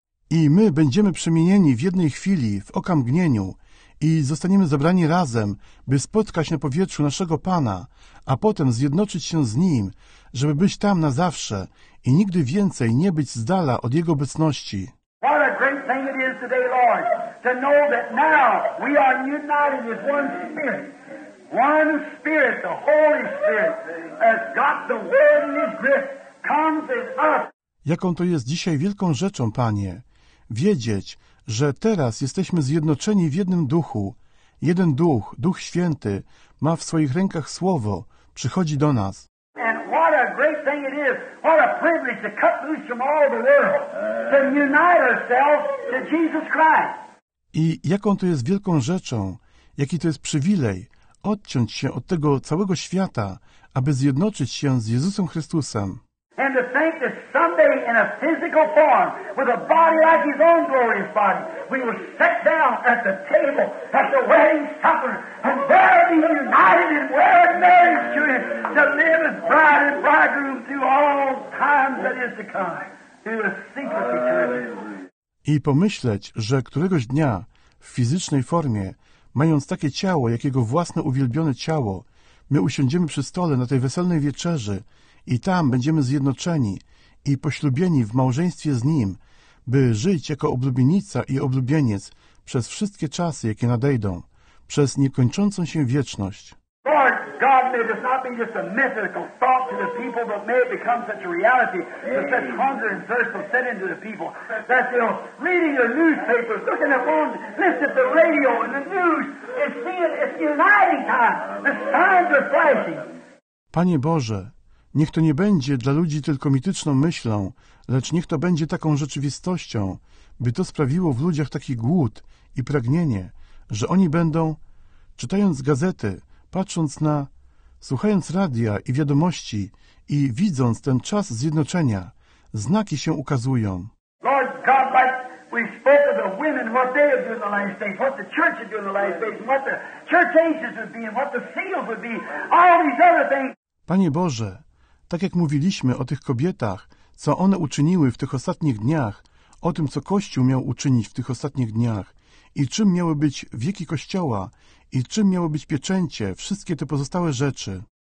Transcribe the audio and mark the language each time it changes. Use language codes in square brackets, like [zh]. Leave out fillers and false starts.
[pl] I my będziemy przemienieni w jednej chwili, w okamgnieniu i zostaniemy zebrani razem, by spotkać na powietrzu naszego Pana, a potem zjednoczyć się z Nim, żeby być tam na zawsze i nigdy więcej nie być z dala od Jego obecności. [en] What a great thing it is today, Lord, to know that now we are united as one Spirit. One Spirit, the Holy Spirit, has got the word in His grip, comes in us. [pl] Jaką to jest dzisiaj wielką rzeczą, Panie, wiedzieć, że teraz jesteśmy zjednoczeni w jednym duchu. Jeden duch, Duch Święty, ma w swoich rękach Słowo, przychodzi do nas. [en] And what a great thing it is, what a privilege to cut loose from all the world, to unite ourselves to Jesus Christ. [pl] I jaką to jest wielką rzeczą, jaki to jest przywilej, odciąć się od tego całego świata, aby zjednoczyć się z Jezusem Chrystusem. [en] And to think that someday in a physical form, with a body like His own glorious body, we will sit down at the table, at the wedding supper, and there be united in word marriage to Him, to live as bride and bridegroom through all times that is to come, through the secret eternity. [pl] I pomyśleć, że któregoś dnia, w fizycznej formie, mając takie ciało, jak Jego własne uwielbione ciało, my usiądziemy przy stole na tej weselnej wieczerzy, i tam będziemy zjednoczeni i poślubieni w małżeństwie z Nim, by żyć jako oblubienica i oblubieniec przez wszystkie czasy, jakie nadejdą, przez niekończącą się wieczność. [en] Lord, God, may this not be just a mythical thought to the people, but may it become such a reality that such hunger and thirst will set into the people. That, you know, reading the newspapers, looking at the phone, listening to the radio and the news, and seeing it's uniting time. The signs are flashing. [pl] Panie Boże, niech to nie będzie dla ludzi tylko mityczną myślą, lecz niech to będzie taką rzeczywistością, by to sprawiło w ludziach taki głód i pragnienie, że oni będą, czytając gazety, patrząc na, słuchając radia i wiadomości i widząc ten czas zjednoczenia, znaki się ukazują. [en] Lord God, like we spoke of the women, what they would do in the last days, what the church would do in the last days, what the church ages would be, and what the seals would be, all these other things. [pl] Panie Boże, tak jak mówiliśmy o tych kobietach, co one uczyniły w tych ostatnich dniach, o tym, co Kościół miał uczynić w tych ostatnich dniach i czym miały być wieki Kościoła i czym miały być pieczęcie, wszystkie te pozostałe rzeczy.